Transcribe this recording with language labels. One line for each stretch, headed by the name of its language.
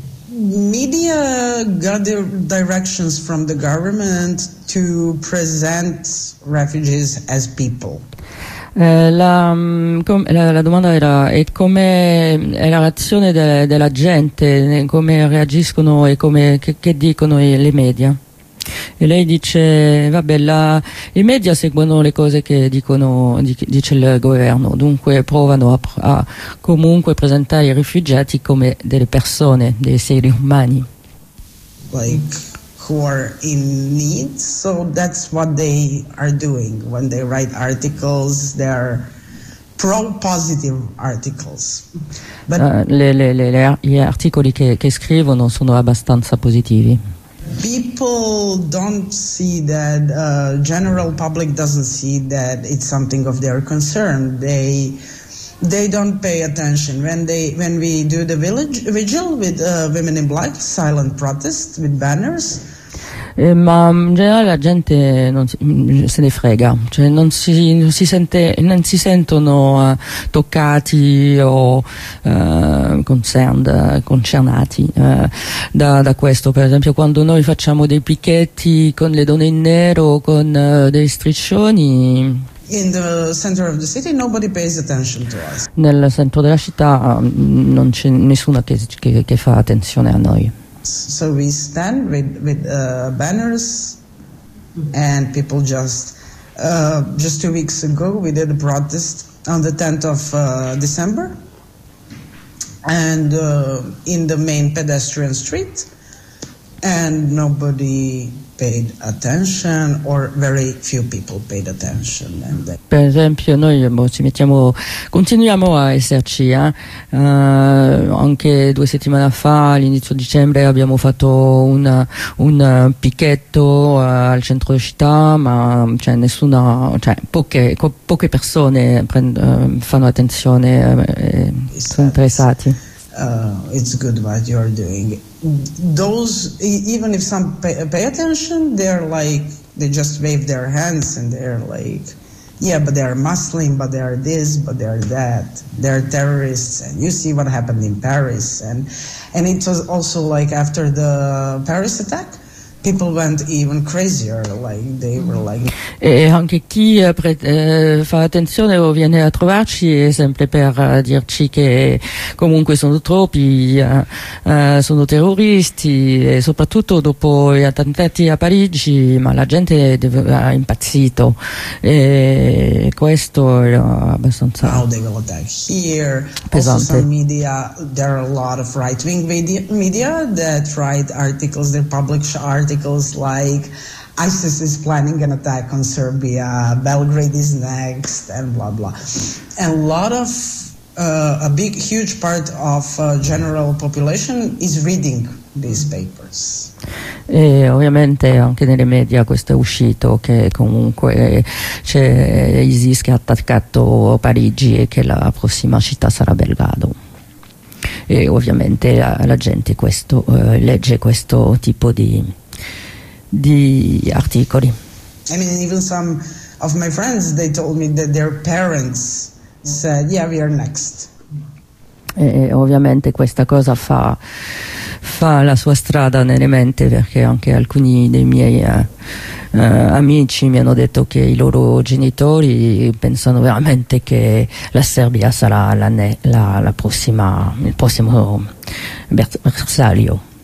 English: Media got their directions from the government to present refugees as people.
Italian: La domanda era: e come è la reazione della gente? Come reagiscono e che dicono le media? E lei dice: vabbè, i media seguono le cose che dice il governo, dunque provano a comunque presentare i rifugiati come delle persone, dei seri umani.
English: Like who are in need, so that's what they are doing when they write articles, they are pro-positive articles.
Italian: But gli articoli che scrivono sono abbastanza positivi.
English: People don't see that, general public doesn't see that it's something of their concern. They don't pay attention. When we do the village vigil with women in black, silent protest with banners.
Italian: Ma in generale la gente non se ne frega, cioè non si sentono toccati o concernati da questo. Per esempio, quando noi facciamo dei picchetti con le donne in nero o con dei striscioni
English: in the center of the city, nobody pays attention to us.
Italian: Nel centro della città non c'è nessuno che fa attenzione a noi.
English: So we stand with banners, and people just 2 weeks ago we did a protest on the 10th of December, and in the main pedestrian street, and nobody paid attention, or very few people paid attention. And then,
Italian: per esempio, noi continuiamo a esserci. Anche 2 settimane fa, all'inizio dicembre, abbiamo fatto un picchetto al centro della città, ma c'è poche persone fanno attenzione, sono interessati.
English: It's good what you are doing. Those, even if some pay attention, they're like, they just wave their hands and they're like, yeah, but they're Muslim, but they're this, but they're that. They're terrorists, and you see what happened in Paris. And it was also like after the Paris attack, people went even crazier, like they were like.
Italian: E anche chi fa attenzione o viene a trovarci è sempre per dirci che comunque sono troppi, sono terroristi, e soprattutto dopo gli attentati a Parigi, ma la gente ha impazzito. E questo è abbastanza.
English: Now they will attack here.
Italian: Pesante.
English: Also some media, there are a lot of right-wing media that write articles, they publish articles. Like ISIS is planning an attack on Serbia, Belgrade is next, and blah blah. And a lot of a big, huge part of general population is reading these papers.
Italian: E ovviamente anche nelle media questo è uscito, che comunque c'è ISIS che ha attaccato Parigi e che la prossima città sarà Belgrado. E ovviamente la gente questo legge questo tipo di articoli.
English: I mean, even some of my friends, they told me that their parents said, yeah, we are next.
Italian: E ovviamente questa cosa fa la sua strada nelle menti, perché anche alcuni dei miei amici mi hanno detto che i loro genitori pensano veramente che la Serbia sarà il prossimo bersaglio.